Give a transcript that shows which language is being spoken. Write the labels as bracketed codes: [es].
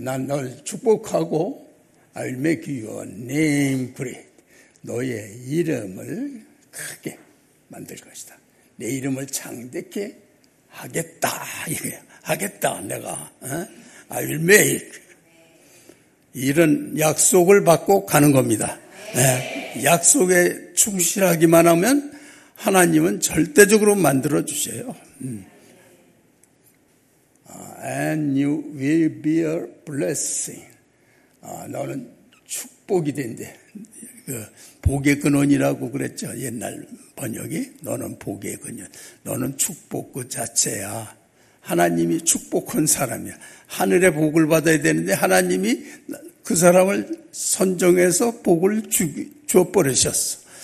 [ko] 난 널 축복하고, [en] I will make your name great. [ko] 너의 이름을 크게 만들 것이다. 내 이름을 창대케 하겠다. 하겠다, 내가. [en] I will make. [ko] 이런 약속을 받고 가는 겁니다. 약속에 충실하기만 하면 하나님은 절대적으로 만들어주세요. [en] And you will be a blessing. [ko] 너는 축복이 된대. 그 복의 근원이라고 그랬죠. 옛날 번역이. 너는 복의 근원. 너는 축복 그 자체야. 하나님이 축복한 사람이야. 하늘의 복을 받아야 되는데 하나님이 그 사람을 선정해서 복을 주어버리셨어.